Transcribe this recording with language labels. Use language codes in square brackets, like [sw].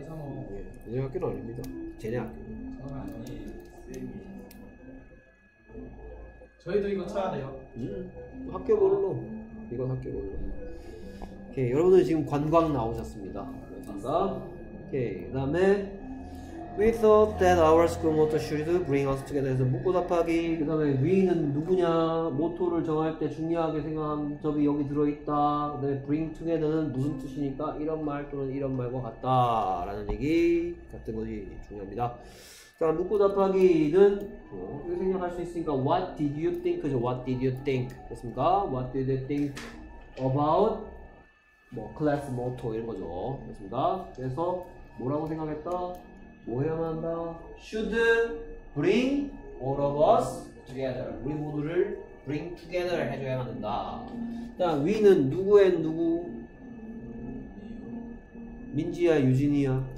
[ko] 이상한 학교는 아닙니다. 쟤네 학교. 저는 아니. 저희도 이거 쳐야 돼요. 학교별로. 이건 학교별로. 오케이. 여러분들 지금 관광 나오셨습니다. 감사합니다. 오케이. 그다음에 [en] We thought that our school motto should bring us together. [ko] 그래서 묻고 답하기. 그 다음에 we는 누구냐. 모토를 정할 때 중요하게 생각한 점이 여기 들어있다. 그 다음에 bring together는 무슨 뜻이니까 이런 말 또는 이런 말과 같다. 라는 얘기 같은 것이 중요합니다. 자, 묻고 답하기는 이렇게 생각할 수 있으니까 [en] what did you think죠. What did you think? [ko] 됐습니까? [en] What did you think about 뭐 class motto [ko] 이런 거죠. 됐습니다. 그래서 뭐라고 생각했다? 뭐 해야만 한다? [en] Should bring all of us together. [ko] 우리 모두를 bring together 해줘야만 된다. 일단 we는 누구의 누구? 민지야, 유진이야?